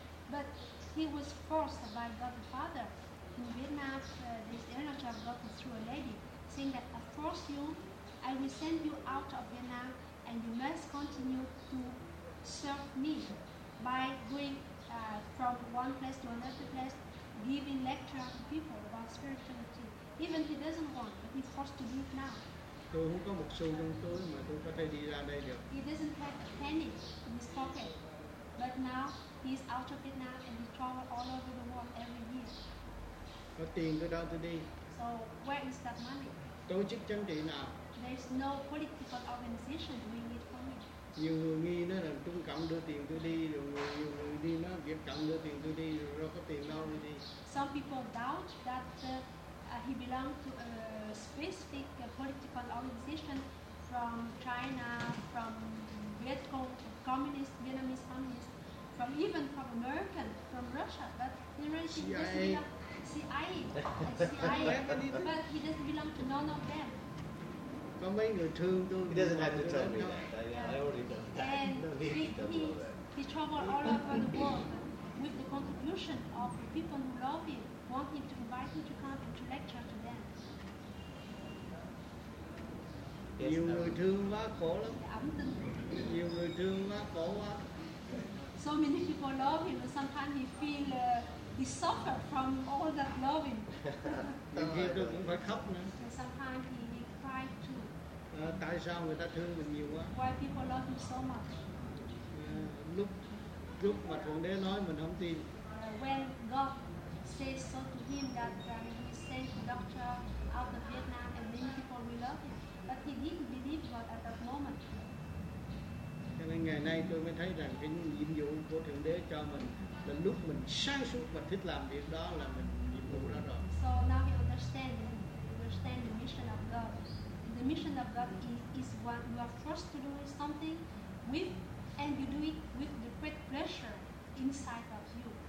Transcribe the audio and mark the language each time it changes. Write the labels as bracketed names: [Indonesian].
[English] But he was forced by God the Father in Vietnam, this energy of God through a lady, saying that I force you, I will send you out of Vietnam and you must continue to serve me by going from one place to another place, giving lecture to people about spirituality. Even he doesn't want, but he's forced to do it now. [Vietnamese] Tôi không có một xu trong túi mà tôi có thể đi ra đây được. [English] He doesn't have a penny in his pocket, but now he's out of it now and he travels all over the world every year. [Vietnamese] Có tiền tôi đâu tôi đi. [English] So where is that money? [Vietnamese] Tổ chức chính trị nào? [English] There's no political organization doing it for me. [Vietnamese] Nhiều người nghi nói là Trung Cộng đưa tiền tôi đi, rồi nhiều người đi nói Việt Cộng đưa tiền tôi đi, rồi đâu có tiền đâu tôi đi. [English] Some people doubt that he belongs to a specific political organization from China, from Viet Cong, communist, Vietnamese communist, from even from American, from Russia, but he really doesn't belong to CIA. But he doesn't belong to none of them. combine your two. Don't he doesn't have to tell me that. I already know that. And he traveled all over the world with the contribution of the people who love him, want him to invite him to come and to lecture to them. Yes, you will do my call. You will do my call. So many people love him, but sometimes he feel he suffer from all that loving. Sometimes he cry too. [Vietnamese] Tại sao người ta thương mình nhiều quá? [English] Why people love him so much? [Vietnamese] Lúc mà Thượng Đế nói mình không tin. [English] When God says so to him that he sent the doctor out of Vietnam and many people will love him. But he didn't believe God at that moment. [Vietnamese] Cho nên ngày nay tôi mới thấy rằng cái nhiệm vụ của Thượng Đế cho mình là lúc mình sáng suốt và thích làm việc đó là mình nhiệm vụ đó rồi. [English] So now you understand the mission of God. The mission of God is what you are forced to do something with, and you do it with the great pleasure inside of you.